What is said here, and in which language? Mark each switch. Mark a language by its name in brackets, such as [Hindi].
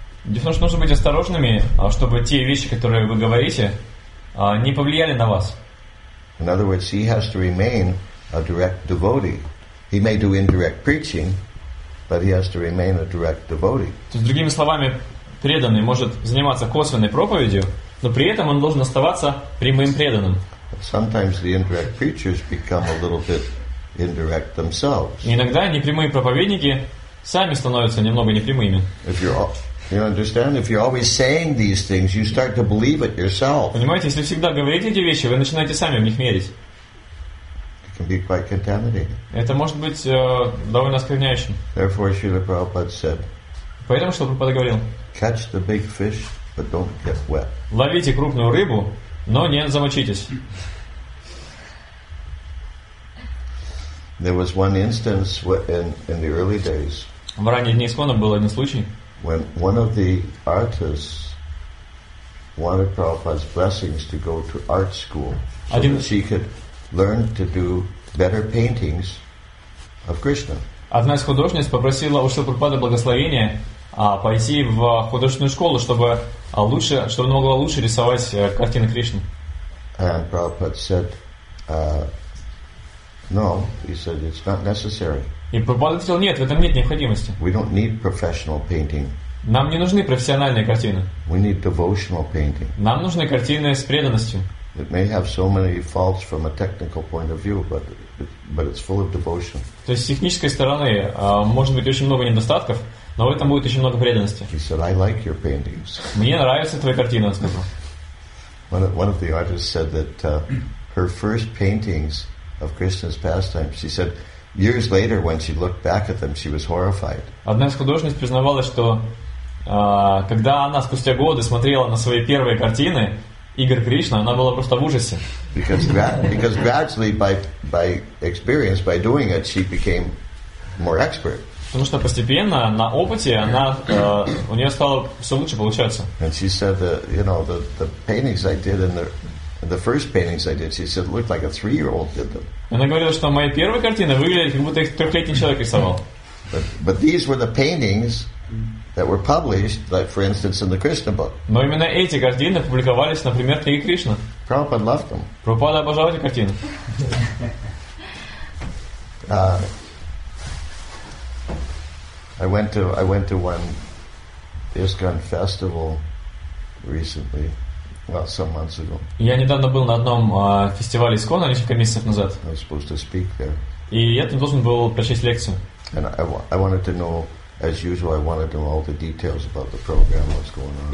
[Russian] Дело в том, нужно быть осторожными, чтобы те вещи, которые вы говорите, не повлияли на вас. [English] In other words, he has to remain a direct devotee. He may do indirect preaching, but he has to remain a direct devotee. [Russian] То есть, другими словами, преданный может заниматься косвенной проповедью, но при этом он должен оставаться прямым преданным. [English] Sometimes the indirect preachers become a little bit indirect themselves. [Russian] Иногда непрямые проповедники сами становятся немного непрямыми. [English] You understand? If you're always saying these things, you start to believe it yourself. [Russian] Понимаете, если всегда говорите эти вещи, вы начинаете сами в них верить. [English] Can be quite contaminating. [Russian] Это может быть довольно оскверняющим. [English] Therefore, Srila Prabhupada said. [Russian] Поэтому что Прабхупада говорил? [English] Catch the big fish, but don't get wet. [Russian] Ловите крупную рыбу, но не замочитесь. [English] There was one instance in the early days. [Russian] В ранние дни Искона был один случай. [English] When one of the artists wanted Prabhupada's blessings to go to art school, so [Russian] один... [English] that she could learn to do better paintings of Krishna. [Russian] Одна из художниц попросила у Шрилы Прабхупады благословения пойти в художественную школу, чтобы она могла лучше рисовать картины Кришны. [English] And Prabhupada said, no, he said it's not necessary. [Russian] И Прабхупада ответил, нет, в этом нет необходимости. [English] We don't need professional painting. [Russian] Нам не нужны профессиональные картины. [English] We need devotional painting. [Russian] Нам нужны картины с преданностью. [English] It may have so many faults from a technical point of view, but it's full of devotion. [Russian] То есть с технической стороны может быть очень много недостатков, но в этом будет очень много преданности. [English] He said, "I like your paintings." [Russian] Мне нравятся твои картины, он сказал. [English] One of the artists said that her first paintings of Krishna's pastimes, she said, years later when she looked back at them, she was horrified. [Russian] Одна из художниц признавалась, что когда она спустя годы смотрела на свои первые картины Игорь Кришна, она была просто в ужасе. [English] Because gradually by experience, by doing it, she became more expert. [Russian] Потому что постепенно на опыте она у нее стало все лучше получаться. [English] And she said the paintings I did in the first paintings I did, she said it looked like a 3-year-old did them. [Russian] Она говорила, что мои первые картины выглядели, как будто их трехлетний человек рисовал. [English] But these were the paintings that were published, like for instance, in the Krishna book. [Russian] Но именно эти картины публиковались, например, в книге Кришна. [English] Prabhupada loved them. [Russian] Прабхупада обожал эти картины. [English] I went to one ISKCON festival recently, about some months ago. [Russian] Я недавно был на одном фестивале ИСКОНа несколько месяцев назад. [English] I was supposed to speak there. [Russian] И я там должен был прочесть лекцию. [English] And I wanted to know. As usual, I wanted to know all the details about the program, what's going on.